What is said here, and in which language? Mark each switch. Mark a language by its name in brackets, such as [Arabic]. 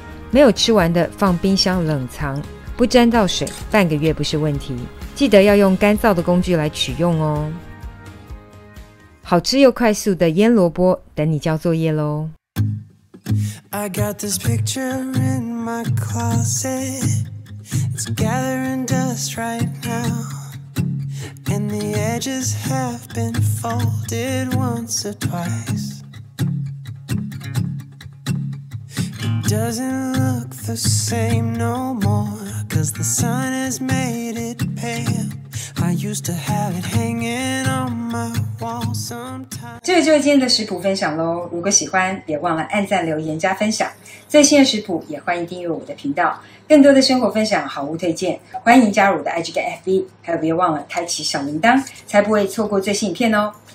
[Chinese] 没有吃完的放冰箱冷藏，不沾到水，半个月不是问题。记得要用干燥的工具来取用哦。好吃又快速的腌萝卜，等你交作业咯。 [English] I got this picture in my closet. It's gathering dust right now. And the edges have been folded once or twice. It doesn't look the same no more, 'cause the sun has made it pale. I used to have it hanging on my wall sometimes. [Chinese] 这个就是今天的食谱分享咯，如果喜欢别忘了按赞留言加分享，最新的食谱也欢迎订阅我的频道，更多的生活分享好物推荐，欢迎加入我的 IG 跟 FB， 还有别忘了开启小铃铛，才不会错过最新影片哦。